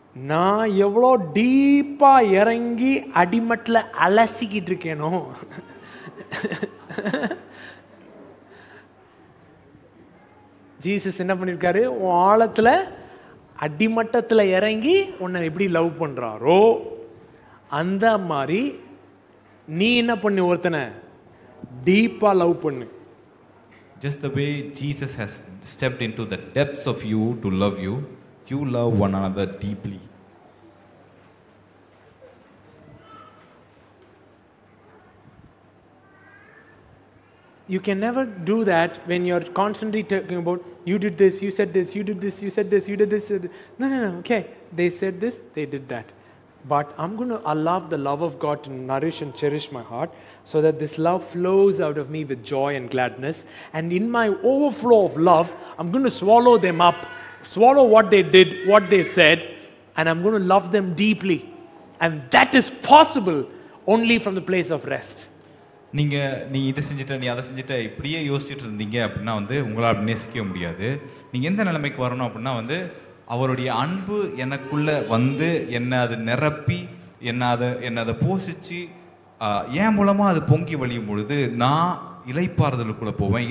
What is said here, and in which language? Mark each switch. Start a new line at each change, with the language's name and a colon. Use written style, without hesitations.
Tamil: நான் எவ்வளோ டீப்பா இறங்கி அடிமட்டில் அலசிக்கிட்டு இருக்கேனோ, ஜீசஸ் என்ன பண்ணியிருக்காரு, ஆழத்தில் அடிமட்டத்தில் இறங்கி உன்னை எப்படி லவ் பண்ணுறாரோ அந்த மாதிரி நீ என்ன பண்ணி ஒருத்தனை டீப்பா லவ் பண்ணு.
English: Just the way Jesus has stepped into the depths of you to love you, you love one another deeply. You can never do that when you're constantly talking about, you did this, you said this, you did this, you said this, you did this. No, no, no, okay. They said this, they did that. But I'm going to allow the love of God to nourish and cherish my heart so that this love flows out of me with joy and gladness. And in my overflow of love, I'm going to swallow them up, swallow what they did, what they said, and I'm going to love them deeply. And that is possible only from the place of rest.
Tamil: நீங்கள் நீ இதை செஞ்சுட்ட நீ அதை செஞ்சுட்ட இப்படியே யோசிச்சுட்டு இருந்தீங்க அப்படின்னா வந்து உங்களால் நேசிக்கவே முடியாது. நீங்கள் எந்த நிலைமைக்கு வரணும் அப்படின்னா வந்து அவருடைய அன்பு எனக்குள்ளே வந்து என்னை அதை நிரப்பி என்னை அதை போஷிச்சு என் மூலமாக அது பொங்கி வழியும் பொழுது நான் இலைப்பாறுதலுக்குள்ளே போவேன்.